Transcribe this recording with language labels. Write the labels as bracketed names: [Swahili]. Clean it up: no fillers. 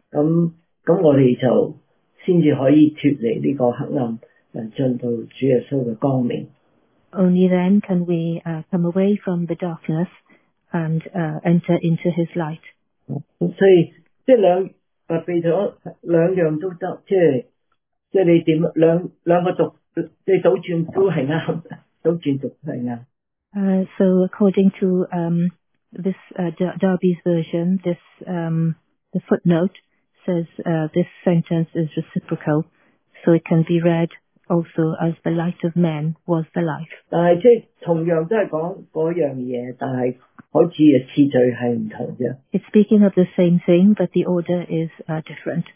[Cantonese] 咁我哋就先至可以脱离呢个黑暗。进到主耶稣嘅光明。 [English] Only then can we come away from the darkness and enter into His light。 [Cantonese] 所以即系两备咗两样都得，即系你点两个读，你倒转都系啱，倒转读都系啱。 [English] So according to this Darby's version, this the footnote says this sentence is reciprocal, so it can be read。 Also, as the light of men was the life. [Cantonese] 但系即系同样都系讲嗰样嘢，但系好似嘅次序系唔同啫。 [English] It's speaking of the same thing, but the order is different.